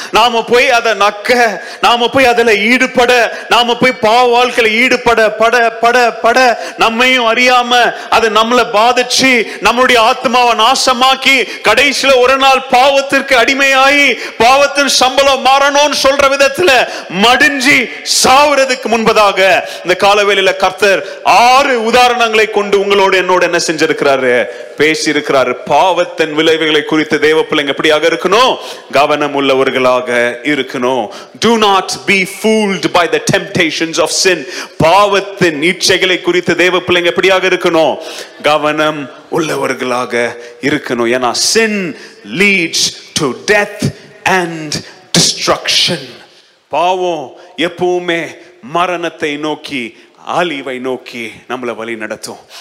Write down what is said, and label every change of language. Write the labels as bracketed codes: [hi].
[ta] நாம போய் அதை நக்க, நாம போய் அதில் ஈடுபட, நாம போய் பாவ வாழ்க்கையில் ஈடுபட பட பட பட நம்மையும் அறியாம அது நம்மளை பாதிச்சு நம்மளுடைய ஆத்மாவை நாசமாக்கி கடைசியில ஒரு நாள் பாவத்திற்கு அடிமையாகி பாவத்தின் சம்பளம் மாறணும்னு சொல்ற விதத்துல மடிஞ்சி சாவுறதுக்கு முன்பதாக இந்த காலவேளையில கர்த்தர் 6 உதாரணங்களை கொண்டு உங்களோட என்னோட என்ன செஞ்சிருக்கிறாரு, பேசியிருக்கிறாரு. பாவத்தின் விளைவுகளை குறித்து தேவ பிள்ளைங்க எப்படியாக இருக்கணும், கவனம் உள்ளவர்களாக இருக்கணும். [en] Do not be fooled by the temptations of sin. [ta] பாவத்தின் இச்சைகளை குறித்து தேவ பிள்ளைங்க எப்படியாக இருக்கணும், கவனம் உள்ளவர்களாக இருக்கணும். ஏன்னா [en] sin leads to death and destruction. [ta] பாவம் எப்பவுமே மரணத்தை நோக்கி ஆலிவை நோக்கி நம்மளை வழி நடத்தும்.